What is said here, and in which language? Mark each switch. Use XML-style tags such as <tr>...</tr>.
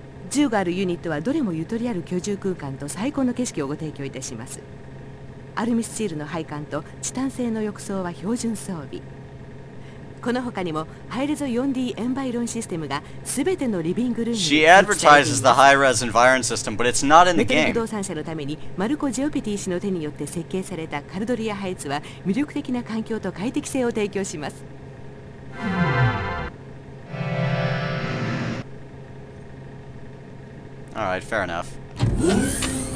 <ja>10があるユニットはどれもゆとりある居住空間と最高の景色をご提供いたします。アルミスチールの配管とチタン製の浴槽は標準装備。この他にもハイレゾ 4D エンバイロンシステムが全てのリビングルームに設置されています。</ja> <en>She advertises the high res environment system, but it's not in the game.</en> <ja>不動産者のためにマルコ・ジオピティ氏の手によって設計されたカルドリアハイツは魅力的な環境と快適性を提供します。</ja> <en>All right, fair enough.</en>